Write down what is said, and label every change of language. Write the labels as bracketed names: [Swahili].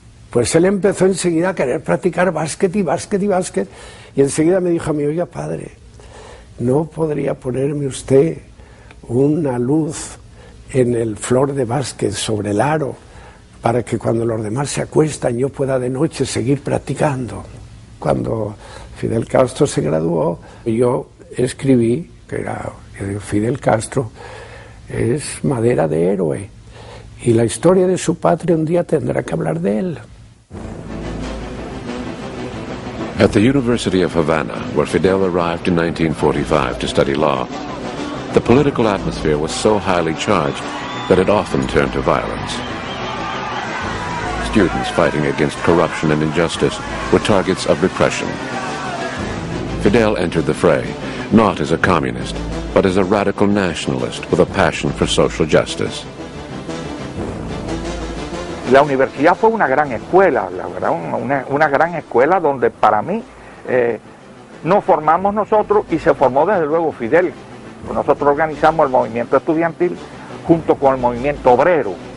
[Spanish] Pues él empezó enseguida a querer practicar básquet y básquet y básquet, y enseguida me dijo a mí: oiga padre, ¿no podría ponerme usted una luz en el flor de básquet sobre el aro para que cuando los demás se acuestan yo pueda de noche seguir practicando? Cuando Fidel Castro se graduó, yo escribí que era Fidel Castro es madera de héroe y la historia de su patria un día tendrá que hablar de él. [English] At the University of Havana, where Fidel arrived in 1945 to study law, the political atmosphere was so highly charged that it often turned to violence. Students fighting against corruption and injustice were targets of repression. Fidel entered the fray, not as a communist, but as a radical nationalist with a passion for social justice. [Spanish] La universidad fue una gran escuela, la verdad, una gran escuela donde para mí nos formamos nosotros y se formó desde luego Fidel. Nosotros organizamos el movimiento estudiantil junto con el movimiento obrero.